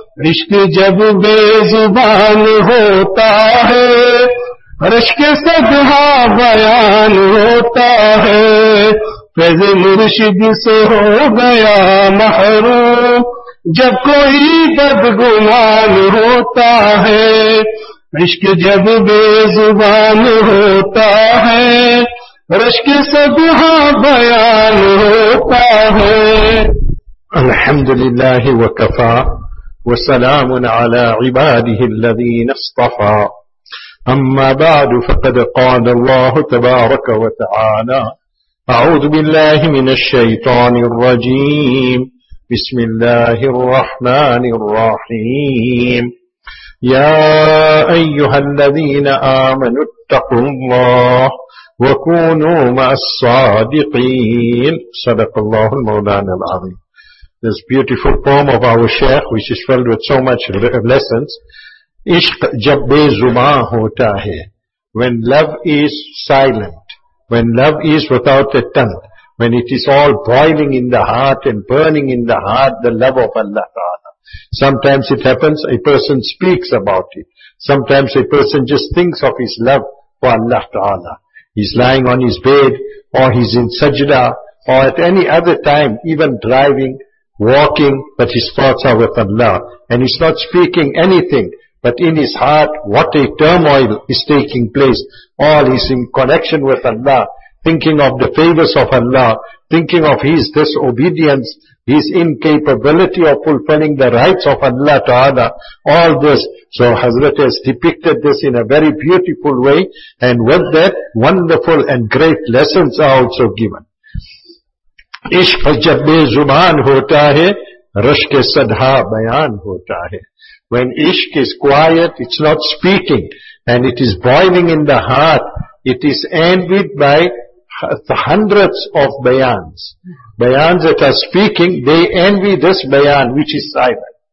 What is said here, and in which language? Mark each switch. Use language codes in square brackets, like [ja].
[ur] رشک جب بے زبان ہوتا ہے، رشک صدہ بیان ہوتا ہے، فیض مرشد سے ہو گیا محروم جب کوئی بدگمان ہوتا ہے، رشک جب بے زبان ہوتا ہے، رشک صدہ بیان ہوتا ہے، [ar] الحمد للہ وکفا وسلام على عباده الذين اصطفى، أما بعد فقد قال الله تبارك وتعالى، أعوذ بالله من الشيطان الرجيم، بسم الله الرحمن الرحيم، يا أيها الذين آمنوا اتقوا الله وكونوا مع الصادقين، صدق الله المولانا العظيم. [en] This beautiful poem of our Shaykh, which is filled with so much lessons. [ur] Ishq jab bezubaan hota hai. [en] When love is silent, when love is without a tongue, when it is all boiling in the heart and burning in the heart, the love of Allah Ta'ala. Sometimes it happens, a person speaks about it. Sometimes a person just thinks of his love for Allah Ta'ala. He's lying on his bed, or he's in sajda, or at any other time, even driving, walking, but his thoughts are with Allah, and he's not speaking anything, but in his heart, what a turmoil is taking place. All is in connection with Allah, thinking of the favors of Allah, thinking of his disobedience, his incapability of fulfilling the rights of Allah Ta'ala, all this. So Hazrat has depicted this in a very beautiful way, and with that, wonderful and great lessons are also given. [ur] عشق جب بے زبان ہوتا ہے، رشک صدہ بیان ہوتا ہے. [en] When عشق is quiet, it's not speaking, and it is boiling in the heart, it is envied by hundreds of bayans. Bayans that are speaking, they envy this bayan which is silent.